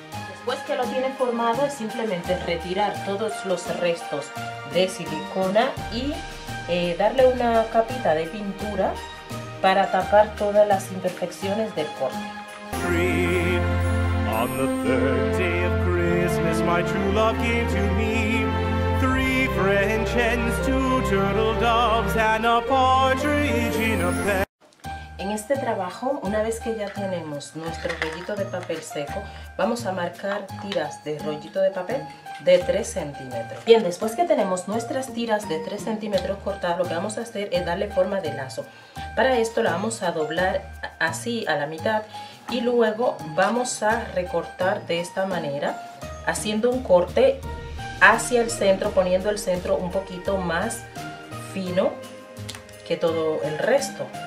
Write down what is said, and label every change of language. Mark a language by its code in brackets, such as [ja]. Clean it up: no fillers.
[es] Después que lo tiene formado, es simplemente retirar todos los restos de silicona y darle una capita de pintura para tapar todas las imperfecciones del corte. [en] On the third day of Christmas, my true love gave to me three French hens, two turtle doves, and a partridge in a pear. [es] En este trabajo, una vez que ya tenemos nuestro rollito de papel seco, vamos a marcar tiras de rollito de papel de 3 centímetros. Bien, después que tenemos nuestras tiras de 3 centímetros cortadas, lo que vamos a hacer es darle forma de lazo. Para esto la vamos a doblar así a la mitad y luego vamos a recortar de esta manera, haciendo un corte hacia el centro, poniendo el centro un poquito más fino que todo el resto.